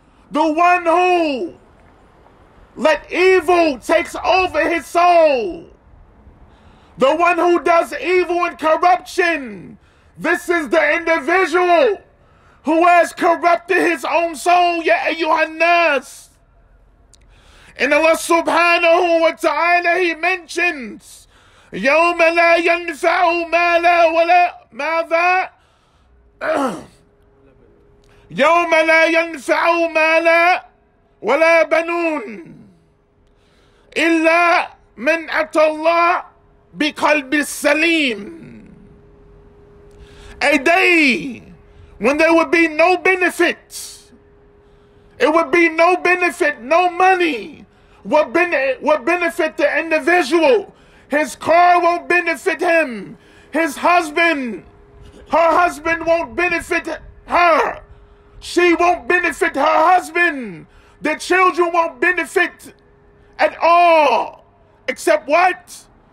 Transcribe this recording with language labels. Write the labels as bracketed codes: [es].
[en] The one who let evil takes over his soul. The one who does evil and corruption. This is the individual who has corrupted his own soul. [ar] Ya ayyuhan nas. [en] And Allah subhanahu wa ta'ala, He mentions, [ar] يَوْمَ لَا يَنْفَعُ مَالًا وَلَا مَاذَا يَوْمَ لَا يَنْفَعُ مَالًا وَلَا بَنُونَ إِلَّا مَنْ أَتَى اللَّهِ بِقَلْبِ السَّلِيمِ [en] A day when there would be no benefit. It would be no benefit, no money. What benefit the individual? His car won't benefit him. His husband, her husband won't benefit her. She won't benefit her husband. The children won't benefit at all. Except what?